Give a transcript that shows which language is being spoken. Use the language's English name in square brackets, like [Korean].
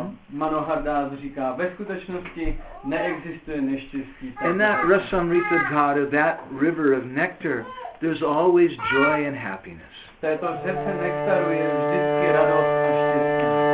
[Czech] Manohar Das říká, ve skutečnosti neexistuje neštěstí. [English] In that Rasamrita Ghada, that river of nectar, there's always joy and happiness. [Czech] Této řece nektaru je vždycky radost a štěstí.